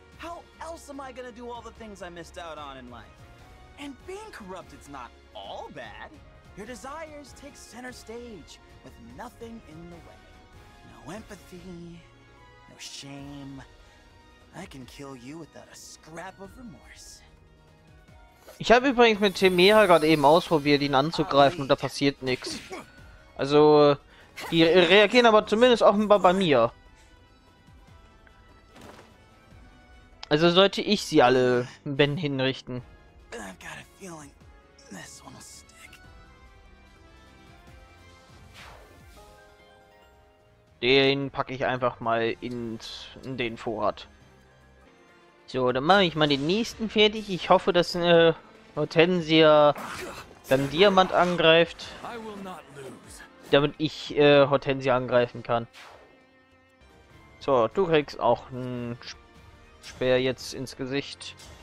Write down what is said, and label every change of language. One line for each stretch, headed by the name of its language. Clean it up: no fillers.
English: How else am I gonna do all the things I missed out on in life? And being corrupted's not all bad. Your desires take center stage with nothing in the way. No empathy. No shame. I can kill you without a scrap of remorse.
German: Ich habe übrigens mit Temera gerade eben ausprobiert, ihn anzugreifen und da passiert nichts. Also, die reagieren aber zumindest offenbar bei mir. Also sollte ich sie alle Ben hinrichten.
English: I've got a feeling this one will stick.
German: Den packe ich einfach mal in den Vorrat. So, dann mache ich mal den nächsten fertig. Ich hoffe, dass Hortensia dann Diamant angreift. Damit ich Hortensia angreifen kann. So, du kriegst auch einen Speer jetzt ins Gesicht.